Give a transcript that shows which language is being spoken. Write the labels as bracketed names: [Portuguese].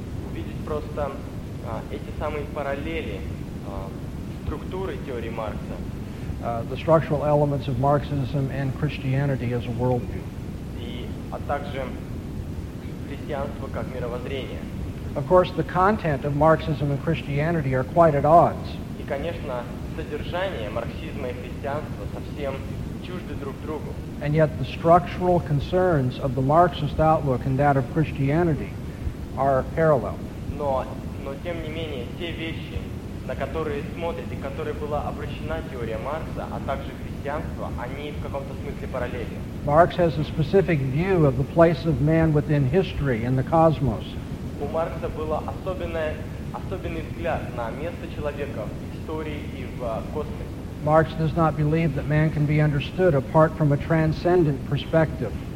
[Russian] Увидеть просто эти самые параллели структуры теории Маркса. [English] The structural elements of Marxism and Christianity as a worldview. [Russian] И а также христианство как мировоззрение. [English] Of course, the content of Marxism and Christianity are quite at odds. [Russian] И, конечно, содержание марксизма и христианства совсем чужды друг другу. [English] And yet the structural concerns of the Marxist outlook and that of Christianity are parallel. [Russian] Но тем не менее, те вещи, на которые смотрит и которые была обращена теория Маркса, а также христианство, они в каком-то смысле параллельны. [English] Marx has a specific view of the place of man within history and the cosmos. [Russian] У Маркса был особенный взгляд на место человека в истории и в космосе. [English] Marx does not believe that man can be understood apart from a transcendent perspective.